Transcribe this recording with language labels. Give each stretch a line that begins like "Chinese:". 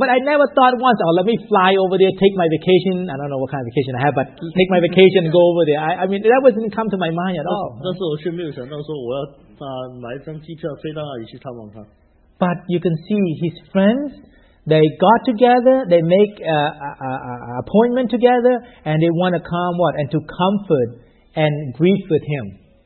English: But I never thought once, oh, let me fly over there, take my vacation. I don't know what kind of vacation I have, but take my vacation and go over there. I mean, that wasn't come to my mind at all.
Chinese: 但是我却没有想到说我要买一张机票飞到那里去探望他。
English: But you can see his friends. They got together, they make an appointment together, and they want to come, what? And to comfort and grieve with him.